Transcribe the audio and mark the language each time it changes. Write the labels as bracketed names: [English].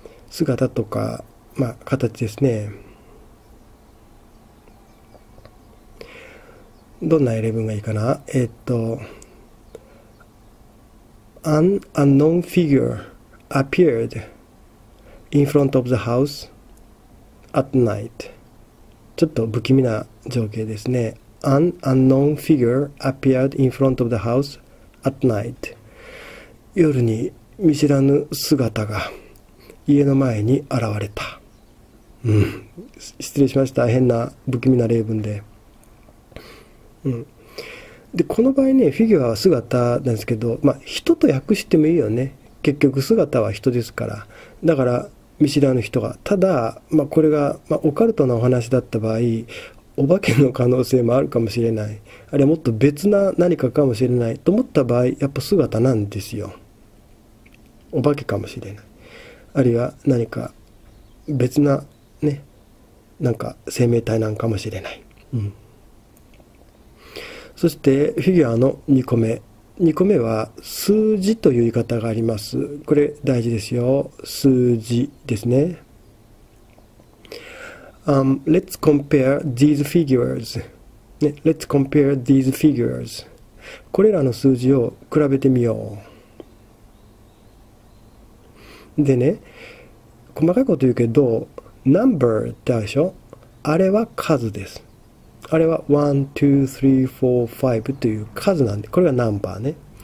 [Japanese] 姿とか、まあ、形ですね。どんなイレブンがいいかな。 [English] An unknown figure appeared in front of the house at night. [Japanese] ちょっと不気味な情景ですね。 [English] An unknown figure appeared in front of the house at night. [Japanese] 夜に見知らぬ姿が家の前に現れた。失礼しました。変な不気味な例文で。でこの場合ね、フィギュアは姿なんですけど、まあ人と訳してもいいよね。結局姿は人ですから。だから見知らぬ人が、ただまあこれがまあオカルトなお話だった場合、お化けの可能性もあるかもしれない。あるいはもっと別な何かかもしれないと思った場合、やっぱ姿なんですよ。お化けかもしれない。あるいは何か別なね、なんか生命体なんかもしれない。そしてフィギュアの2個目。2個目は数字という言い方があります。これ大事ですよ。数字ですね。 [English] Let's compare these figures. ね、Let's compare these figures. [Japanese] これらの数字を比べてみよう。でね、細かいこと言うけど、number ってあるでしょ？あれは数です。あれは1、2、3、4、5という数なんで、これがナンバーね。